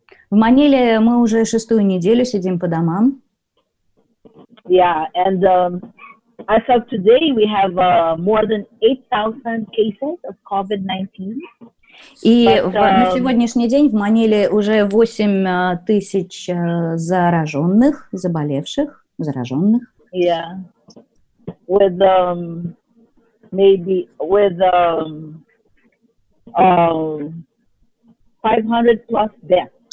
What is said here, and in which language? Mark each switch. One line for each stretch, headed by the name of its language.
Russian: В Маниле мы уже 6-ю неделю сидим по домам.
English: Yeah, and as of today, we have more than 8,000 cases of COVID-19.
Russian: И на сегодняшний день в Маниле уже 8000 зараженных, заболевших, зараженных.
English: Yeah. With maybe with 500 plus deaths.